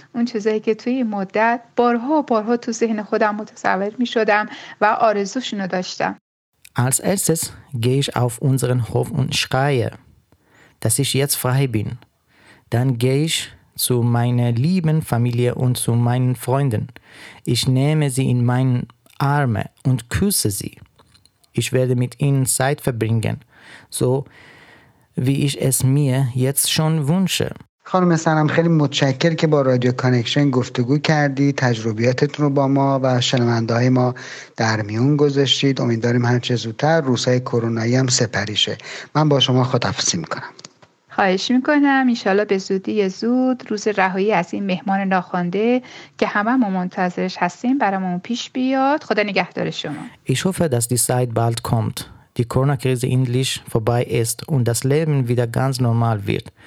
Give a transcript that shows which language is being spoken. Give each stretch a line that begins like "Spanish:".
Persian: اون چیزایی که توی مدت بارها و بارها تو ذهن خودم متصور میشدم و آرزوشون رو داشتم.
German: Als erstes gehe ich auf unseren Hof und schreie, dass ich jetzt frei bin. Dann gehe ich zu meiner lieben Familie und zu meinen Freunden. Ich nehme sie in meine Arme und küsse sie. Ich werde mit ihnen Zeit verbringen, so wie ich es mir jetzt schon wünsche.
Persian: خانم سنم، خیلی متشکر که با رادیو کانکشن گفتگو کردی، تجربیاتتون رو با ما و شنونده های ما در میون گذاشتید. امیدواریم هرچه زودتر روزهای کرونایی هم سپری شه. من با شما خداحافظی میکنم. خواهش میکنم، انشالله به زودی زود روز رهایی از این مهمان ناخوانده که همه ما منتظرش هستیم برامون پیش بیاد. خدا نگهدار شما.
German: Ich hoffe, dass die Zeit bald kommt, die Corona-Krise endlich vorbei ist und das Leben wieder ganz normal wird.